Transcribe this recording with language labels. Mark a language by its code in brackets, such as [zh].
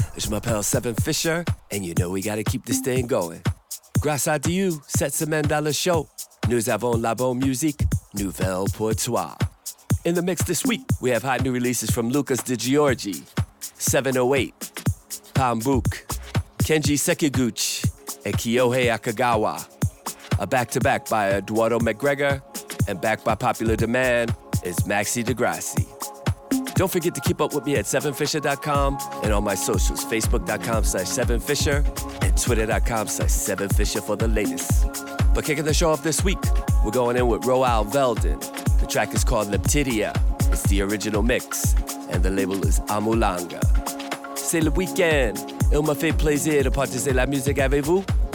[en] It's my pal Seven Fisher, and you know we gotta keep this thing going. [fr] Grâce à Dieu, cette semaine dans le show. Nous avons la bonne musique, nouvelle pour toi. [en] In the mix this week, we have hot new releases from Lucas DiGiorgi, 708, Pambuk, Kenji Sekiguchi, and Kiyohei Akagawa. A back-to-back by Eduardo McGregor, and back by popular demand is Maxi Degrassi. Don't forget to keep up with me at 7fisher.com and on my socials, facebook.com/7fisher and twitter.com/7fisher for the latest. But kicking the show off this week, we're going in with Roald Velden. The track is called Leptidia. It's the original mix, and the label is Amulanga. [fr] C'est le week-end. Il me fait plaisir de partager la musique avec vous.